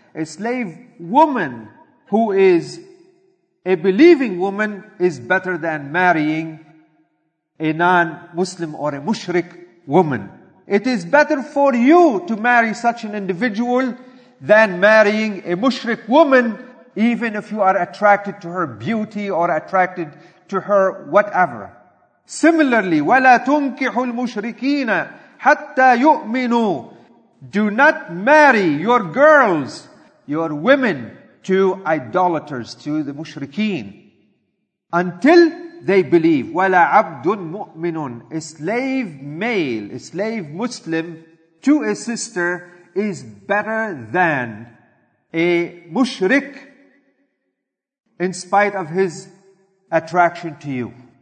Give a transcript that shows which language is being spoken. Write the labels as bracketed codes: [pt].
[en] A slave woman who is a believing woman is better than marrying a non-Muslim or a mushrik woman. It is better for you to marry such an individual than marrying a mushrik woman, even if you are attracted to her beauty or attracted to her whatever. [ar] Similarly, وَلَا تُنْكِحُ الْمُشْرِكِينَ حَتَّى يُؤْمِنُوا. [en] Do not marry your girls, your women, to idolaters, to the mushrikeen, until they believe. [ar] وَلَا عَبْدٌ مُؤْمِنٌ. [en] A slave male, a slave Muslim, to a sister is better than a mushrik in spite of his attraction to you.